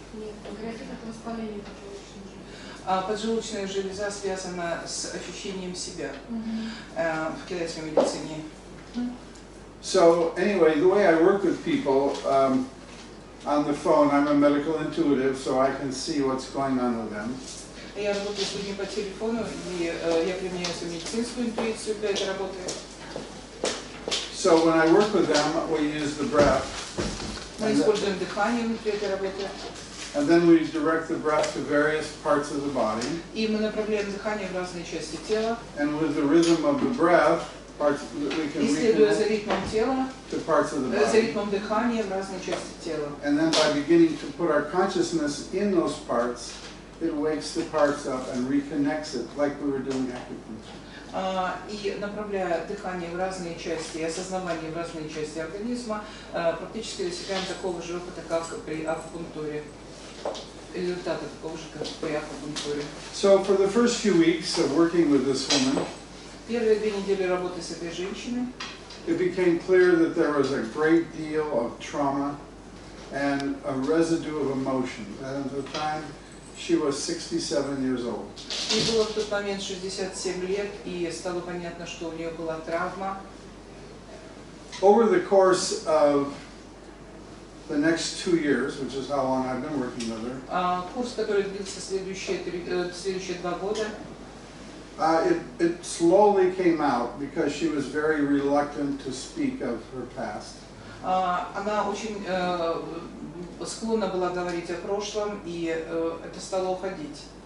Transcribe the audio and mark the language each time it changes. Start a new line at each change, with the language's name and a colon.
Russian: Нет, панкреатит — это воспаление поджелудочной железы. Поджелудочная железа связана с ощущением себя в китайской медицине.
English: So anyway, the way I work with people on the phone, I'm a medical intuitive, so I can see what's going on with them.
Russian: Я работаю с людьми по телефону, и я применяю свою медицинскую интуицию для этой работы.
English: So when I work with them, we use the breath.
Russian: Мы используем дыхание для этой работы.
English: And then we direct the breath to various parts of the body.
Russian: И мы направляем дыхание в разные части тела.
English: And with the rhythm of the breath,
Russian: Исследуя за ритмом тела,
English: to parts of the body.
Russian: За ритмом дыхания в разные части тела.
English: And then by beginning to put our consciousness in those parts, it wakes the parts up and reconnects it, like we were doing acupuncture.
Russian: и направляя дыхание в разные части, осознавание в разные части организма, практически достигаем такого же опыта, как при акупунктуре. Результаты такого же, как при акупунктуре.
English: So for the first few weeks of working with this woman,
Russian: первые две недели работы с этой женщиной,
English: it became clear that there was a great deal of trauma and a residue of emotion. And at the time, she was 67 years old.
Russian: Ей было в тот момент 67 лет, и стало понятно, что у нее была травма.
English: Over the course of the next 2 years, which is how long I've been working with her,
Russian: курс, который длился следующие два года,
English: It slowly came out because she was very reluctant to speak of her past.
Russian: Она очень склонна была говорить о прошлом, и это стало уходить.